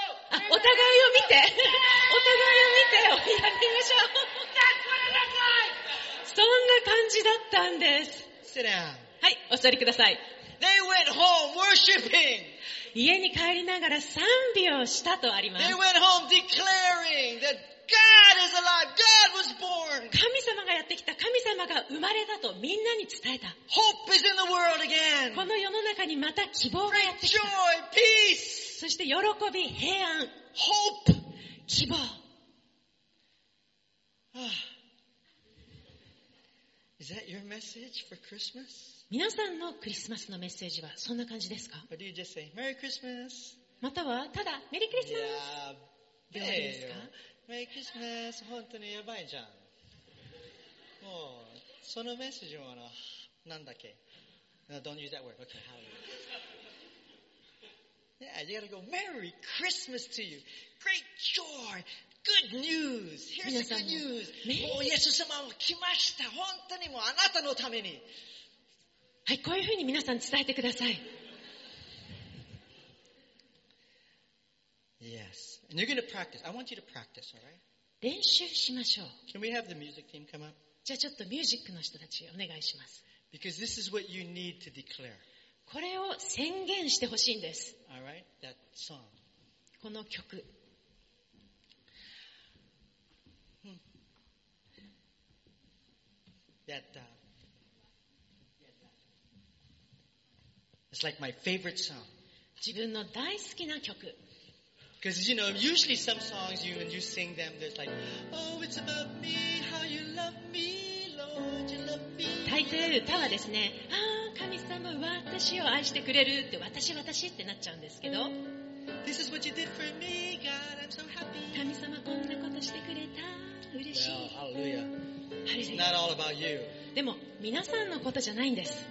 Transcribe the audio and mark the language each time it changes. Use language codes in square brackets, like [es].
[ja] お互いを見て、お互いを見てやってみましょう。 [en] That's what it looks like. [ja] そんな感じだったんです。 [en] Sit down. [ja] はい、お座りください。 [en] They went home worshiping. [ja] 家に帰りながら賛美をしたとあります。 [en] They went home declaring that God is alive. God was born. [ja] 神様がやってきた、神様が生まれたとみんなに伝えた。 [en] Hope is in the world again. [ja] この世の中にまた希望がやってきた。 [en] Joy, peace. [ja] そして喜び、平安、 [en] Hope. [ja] 希望。 [en] Is that your message for Christmas? [ja] 皆さんのクリスマスのメッセージはそんな感じですか? [en] Or do you just say, Merry Christmas? [ja] またはただメリークリスマス。 [en] Yeah, [ja] どうですか? [en] Merry Christmas. [ja] 本当にやばいじゃん。もうそのメッセージはなんだっけ? [en] No, don't use that word. Okay, how are you? Yeah, you gotta go, Merry Christmas to you. Great joy. Good news. Here's the good news. [ja] もうイエス様は来ました。本当にもうあなたのために。はい、こういうふうに皆さん伝えてください。 [en] Yes. And you're gonna practice. I want you to practice, alright? [ja] 練習しましょう。 [en] Can we have the music team come up? [ja] じゃあちょっとミュージックの人たちお願いします。 [en] Because this is what you need to declare. [ja] これを宣言してほしいんです。 [en] All right, that song. [ja] この曲。 [en] It's like my favorite song. [ja] 自分の大好きな曲。 [en] Because you know, usually some songs you when you sing them, there's like, oh, it's about me, how you love me, Lord, you love me. [ja] 大抵歌はですね。神様は私を愛してくれるって私ってなっちゃうんですけど [en] This is what you did for me, God, I'm so happy. [ja] 神様こんなことしてくれた嬉しい [en] well, hallelujah. It's not all about you. [ja] でも皆さんのことじゃないんです